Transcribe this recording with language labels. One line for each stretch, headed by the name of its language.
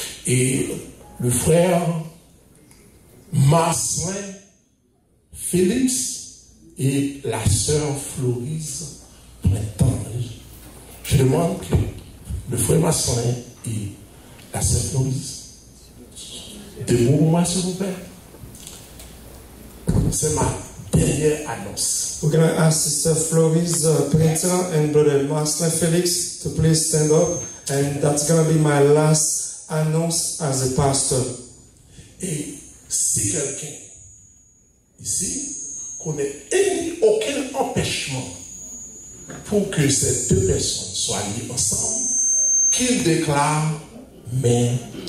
French: Et le frère Marcelin Félix et la sœur Florise Printemps. Je demande que le frère Massonet et la sœur Florise debout moi, s'il vous plaît. C'est ma dernière annonce.
English: We're going to ask Sister Florise Printemps and Brother Massonet Félix to please stand up, and that's going to be my last annonce as a pastor.
French: Et si quelqu'un ici qu'on n'ait aucun empêchement pour que ces deux personnes soient liées ensemble, qu'il déclare maintenant.